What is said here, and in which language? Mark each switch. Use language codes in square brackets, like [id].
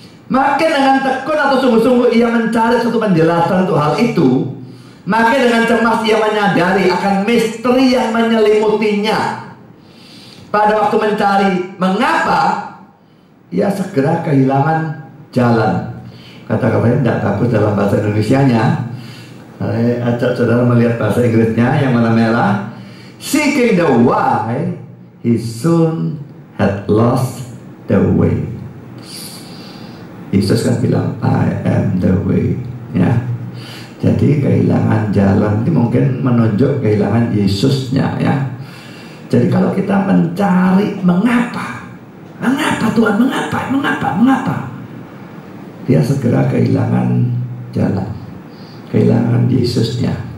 [id] Makin dengan tekun atau sungguh-sungguh ia mencari suatu penjelasan untuk hal itu, makin dengan cemas ia menyadari akan misteri yang menyelimutinya. Pada waktu mencari mengapa, ia segera kehilangan jalan. Kata-katanya tidak bagus dalam bahasa Indonesianya. Saya ajak saudara melihat bahasa Inggrisnya yang merah-merah. [en] Seeking the why, he soon had lost the way. [id] Yesus kan bilang, [en] I am the way. [id] Ya. Jadi kehilangan jalan ini mungkin menunjuk kehilangan Yesusnya. Ya. Jadi kalau kita mencari mengapa, mengapa Tuhan, mengapa, mengapa, mengapa, dia segera kehilangan jalan, kehilangan Yesusnya.